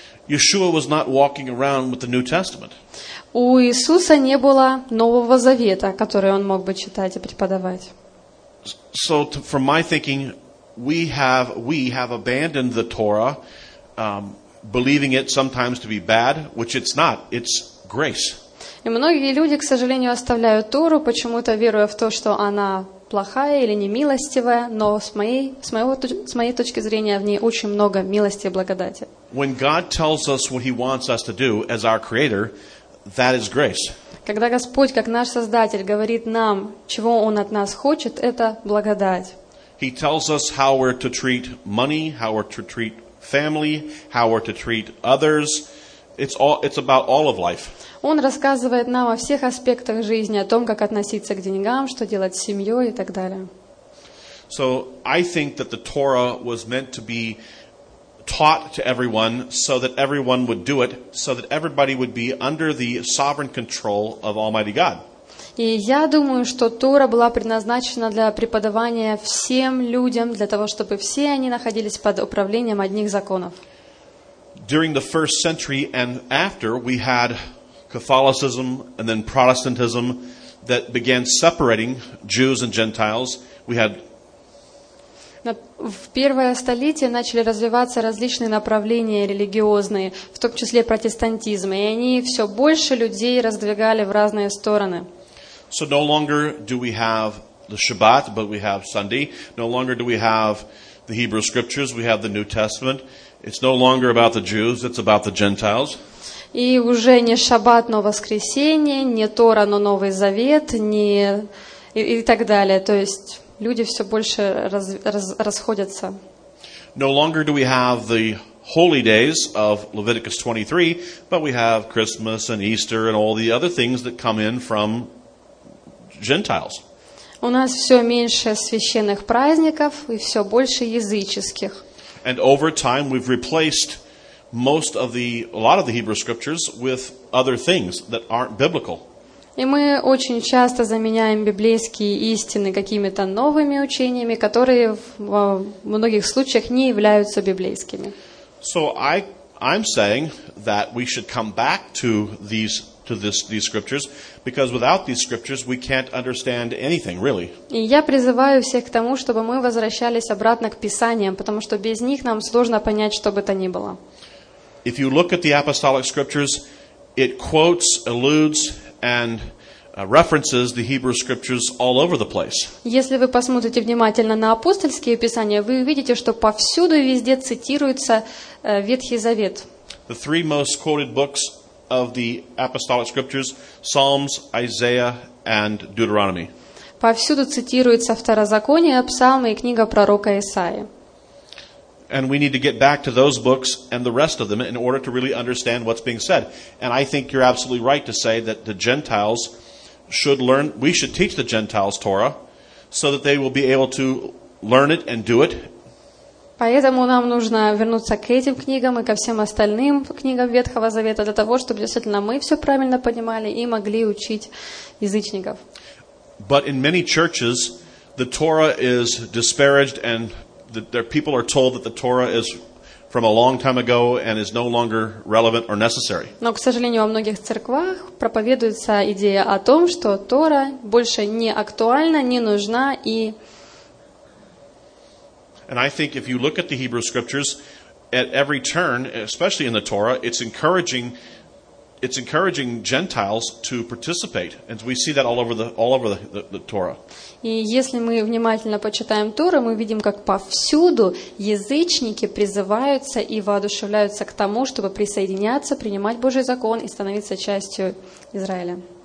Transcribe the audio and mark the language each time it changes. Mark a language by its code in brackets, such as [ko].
[en] Yeshua was not walking around with the New Testament. [ru] У Иисуса не было Нового Завета, который он мог бы читать и преподавать. [en] So, from my thinking, we have abandoned the Torah, believing it sometimes to be bad, which it's not. It's grace. [ru] И многие люди, к сожалению, оставляют Тору, почему-то веруя в то, что она плохая или немилостивая, но с моей точки зрения в ней очень много милости и благодати. [en] When God tells us what He wants us to do as our Creator, that is grace. [ru] Когда Господь, как наш Создатель, говорит нам, чего Он от нас хочет, это благодать. [en] He tells us how we're to treat money, how we're to treat family, how we're to treat others. It's about all of life. [ru] Он рассказывает нам о всех аспектах жизни, о том, как относиться к деньгам, что делать с семьей и так далее. [en] So I think that the Torah was meant to be taught to everyone so that everyone would do it, so that everybody would be under the sovereign control of Almighty God. [ru] И я думаю, что Тора была предназначена для преподавания всем людям, для того, чтобы все они находились под управлением одних законов. [en] During the first century and after, we had Catholicism and then Protestantism that began separating Jews and Gentiles. We had [ru] В первое столетие начали развиваться различные направления религиозные, в том числе протестантизм, и они все больше людей раздвигали в разные стороны. [en] So no longer do we have the Shabbat, but we have Sunday. No longer do we have the Hebrew Scriptures, we have the New Testament. It's no longer about the Jews, it's about the Gentiles. [ru] И уже не Шаббат, но Воскресенье, не Тора, но Новый Завет, и так далее. То есть люди все больше расходятся. [en] No longer do we have the holy days of Leviticus 23, but we have Christmas and Easter and all the other things that come in from Gentiles. [ru] У нас все меньше священных праздников и все больше языческих. [en] And over time we've replaced a lot of the Hebrew Scriptures with other things that aren't biblical. [ru] И мы очень часто заменяем библейские истины какими-то новыми учениями, которые в многих случаях не являются библейскими. [en] So I'm saying that we should come back to these scriptures, because without these scriptures we can't understand anything really. [ru] И я призываю всех к тому, чтобы мы возвращались обратно к Писаниям, потому что без них нам сложно понять, что бы то ни было. [en] If you look at the apostolic scriptures, it quotes, alludes, and references the Hebrew scriptures all over the place. [ru] Если вы посмотрите внимательно на апостольские писания, вы увидите, что повсюду и везде цитируется Ветхий Завет. [en] The three most quoted books of the apostolic scriptures: Psalms, Isaiah, and Deuteronomy. [ru] Повсюду цитируется Второзаконие, Псалмы и книга пророка Исаии. [en] And we need to get back to those books and the rest of them in order to really understand what's being said. And I think you're absolutely right to say that the Gentiles should learn, we should teach the Gentiles Torah so that they will be able to learn it and do it. [ru] Поэтому нам нужно вернуться к этим книгам и ко всем остальным книгам Ветхого Завета для того, чтобы действительно мы все правильно понимали и могли учить язычников. [en] But in many churches, the Torah is disparaged, and their people are told that the Torah is from a long time ago and is no longer relevant or necessary. [ru] Но, к сожалению, во многих церквах проповедуется идея о том, что Тора больше не актуальна, не нужна и. [en] And I think if you look at the Hebrew Scriptures, at every turn, especially in the Torah, it's encouraging Gentiles to participate, and we see that all over the Torah. [ru] И если мы внимательно почитаем Тору, мы видим, как повсюду язычники призываются и воодушевляются к тому, чтобы присоединяться, принимать Божий закон и становиться частью Израиля.